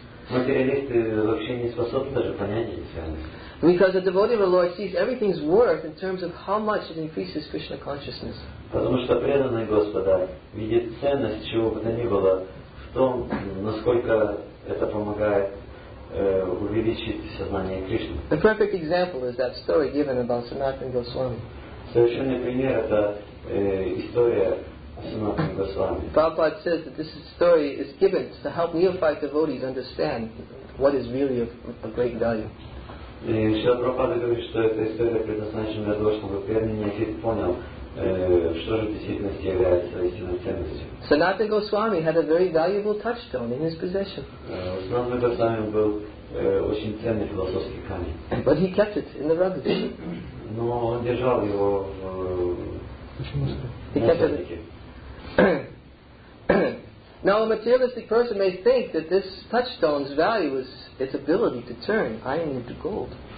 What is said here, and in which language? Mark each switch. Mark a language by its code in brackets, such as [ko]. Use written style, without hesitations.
[ru] Материалисты вообще не способны даже понять эти ценности. [en] Because a devotee of the Lord sees everything's worth in terms of how much it increases Krishna consciousness. [ru] Потому что преданный Господа видит ценность чего бы то ни было в том, насколько это помогает увеличить сознание Кришны. [en] The perfect example is that story given about Sanatana Goswami. [ru] Совершенный пример – это история о Санатане Госвами. [en] Prabhupada says that this story is given to help neophyte devotees understand what is really of great value. [ru] И Шрила Прабхупада говорит, что эта история предназначена для того, чтобы преданный неофит понял, что же в действительности является истинной ценностью. [en] Sanatan Goswami had a very valuable touchstone in his possession. [ru] Sanatan Goswami был очень ценный философский камень. [en] But he kept it in the rubbish. [ru] Но он держал его в мусорнике. [en] Now a materialistic person may think that this touchstone's value is its ability to turn iron into gold.